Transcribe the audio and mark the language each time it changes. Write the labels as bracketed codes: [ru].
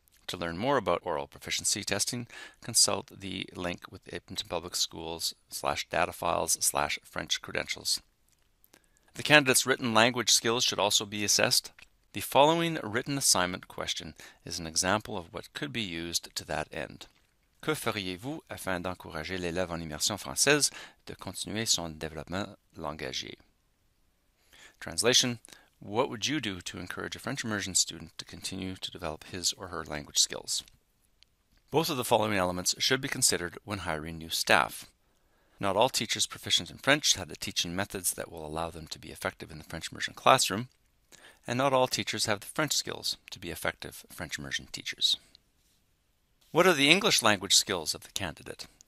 [en] To learn more about oral proficiency testing, consult the link with Edmonton Public Schools/data files/French credentials. The candidate's written language skills should also be assessed. The following written assignment question is an example of what could be used to that end. [fr] Que feriez-vous afin d'encourager l'élève en immersion française de continuer son développement langagier? [en] Translation: what would you do to encourage a French Immersion student to continue to develop his or her language skills? Both of the following elements should be considered when hiring new staff. Not all teachers proficient in French have the teaching methods that will allow them to be effective in the French Immersion classroom, and not all teachers have the French skills to be effective French Immersion teachers. What are the English language skills of the candidate?